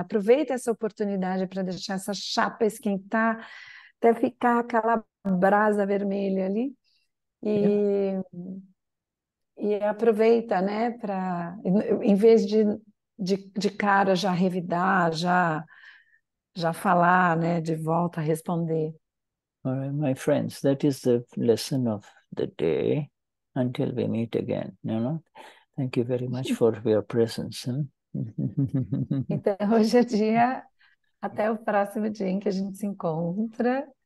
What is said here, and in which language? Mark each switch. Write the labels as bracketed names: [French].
[Portuguese] Aproveita essa oportunidade para deixar essa chapa esquentar até ficar aquela brasa vermelha ali. E aproveita, né, para, em vez de cara já revidar, já falar, né, de volta, responder. [English] All right, my friends, that is the lesson of the day until we meet again, you know? Thank you very much for your presence. [Portuguese] Então, hoje é dia, até o próximo dia em que a gente se encontra.